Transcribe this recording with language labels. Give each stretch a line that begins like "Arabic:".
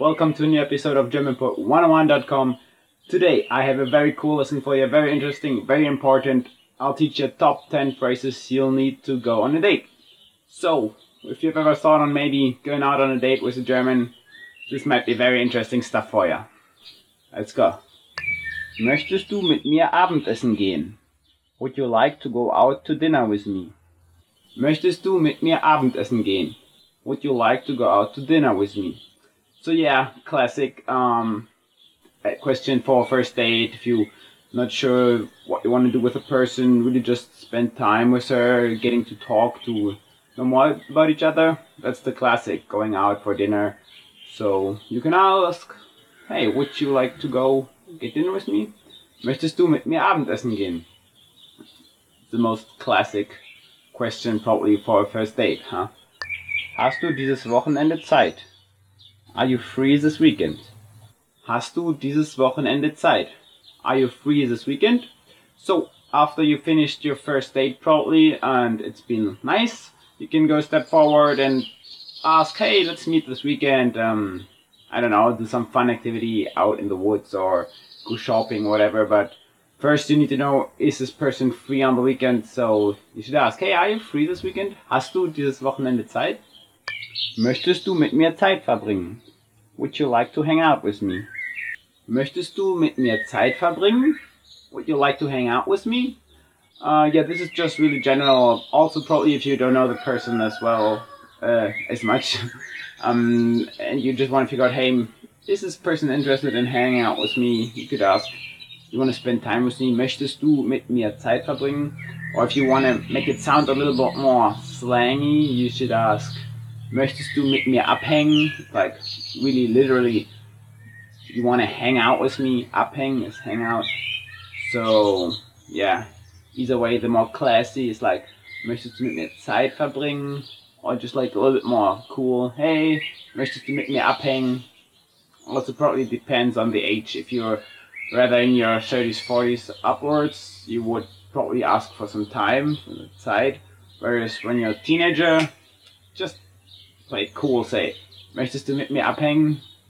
English: Welcome to a new episode of GermanPort101.com. Today I have a very cool lesson for you, very interesting, very important. I'll teach you top 10 phrases you'll need to go on a date. So, if you've ever thought on maybe going out on a date with a German, this might be very interesting stuff for you. Let's go.
German: Möchtest du mit mir Abendessen gehen?
English: Would you like to go out to dinner with me?
German: Möchtest du mit mir Abendessen gehen?
English: Would you like to go out to dinner with me? So yeah, classic question for a first date. If you're not sure what you want to do with a person, really just spend time with her, getting to talk, to know more about each other. That's the classic, going out for dinner. So you can ask, hey, would you like to go get dinner with me?
German: Möchtest du mit mir Abendessen gehen?
English: The most classic question probably for a first date, huh?
German: Hast du dieses Wochenende Zeit?
English: Are you free this weekend?
German: Hast du dieses Wochenende Zeit?
English: Are you free this weekend? So, after you finished your first date probably and it's been nice, you can go a step forward and ask, hey, let's meet this weekend. I don't know, do some fun activity out in the woods or go shopping, whatever. But first you need to know, is this person free on the weekend? So you should ask, hey, are you free this weekend?
German: Hast du dieses Wochenende Zeit? Möchtest du mit mir Zeit verbringen?
English: Would you like to hang out with me?
German: Möchtest du mit mir Zeit verbringen?
English: Would you like to hang out with me? Yeah, this is just really general. Also, probably if you don't know the person as well as much, and you just want to figure out, hey, is this person interested in hanging out with me? You could ask, you want to spend time with me?
German: Möchtest du mit mir Zeit verbringen?
English: Or if you want to make it sound a little bit more slangy, you should ask,
German: Möchtest du mit mir abhängen?
English: Like, really, literally, you want to hang out with me? Abhängen is hang out. So, yeah. Either way, the more classy is like,
German: Möchtest du mit mir Zeit verbringen?
English: Or just like a little bit more cool.
German: Hey, möchtest du mit mir abhängen?
English: Also, probably depends on the age. If you're rather in your 30s, 40s upwards, you would probably ask for some time, for the Zeit. Whereas when you're a teenager, just play cool, say,
German: möchtest du mit mir abhängen?